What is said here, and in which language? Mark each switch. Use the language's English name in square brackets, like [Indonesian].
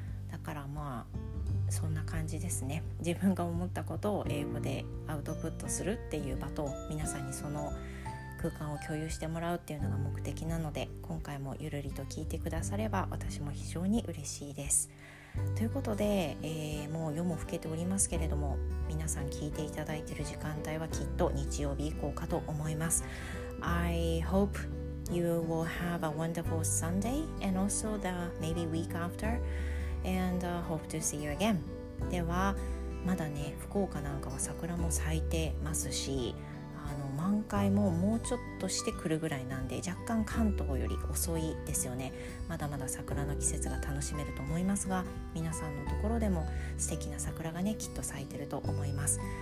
[Japanese] だからまあそんな感じですね。自分が思ったことを英語でアウトプットするっていう場と、皆さんにその空間を共有してもらうっていうのが目的なので、今回もゆるりと聞いてくだされば私も非常に嬉しいです。ということで、もう夜も更けておりますけれども、皆さん聞いていただいている時間帯はきっと日曜日以降かと思います。 [English] I hope you will have a wonderful Sunday and also the maybe week after and hope to see you again. [Japanese] ではまだね、福岡なんかは桜も咲いてますし、満開ももうちょっとしてくるぐらいなんで、若干関東より遅いですよね。まだまだ桜の季節が楽しめると思いますが、皆さんのところでも素敵な桜がね、きっと咲いてると思います。